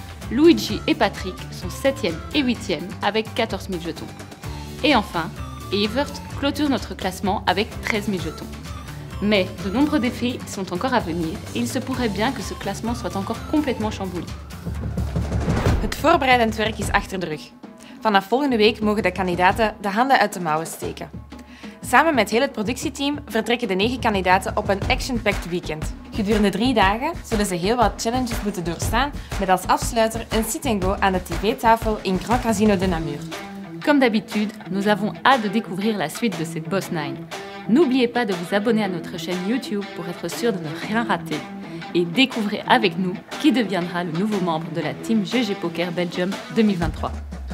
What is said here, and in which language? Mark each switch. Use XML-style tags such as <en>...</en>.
<fr>Luigi et Patrick sont 7e et 8e avec 14 000 jetons. Et enfin, Evert clôture notre classement avec 13 000 jetons. Mais de nombreux défis sont encore à venir et il se pourrait bien que ce classement soit encore complètement chamboulé.</fr> <nl>Het voorbereidend werk is achter de rug. Vanaf volgende week mogen de kandidaten de handen uit de mouwen steken. Samen met heel het productieteam vertrekken de 9 kandidaten op een action-packed weekend. Gedurende 3 dagen zullen ze heel wat challenges moeten doorstaan met als afsluiter een sit-and-go aan de tv-tafel in Grand Casino de Namur.</nl> <fr>Comme d'habitude, nous avons hâte de découvrir la suite de cette Boss 9. N'oubliez pas de vous abonner à notre chaîne YouTube pour être sûr de ne rien rater. Et découvrez avec nous qui deviendra le nouveau membre de la team GG Poker Belgium 2023.</fr>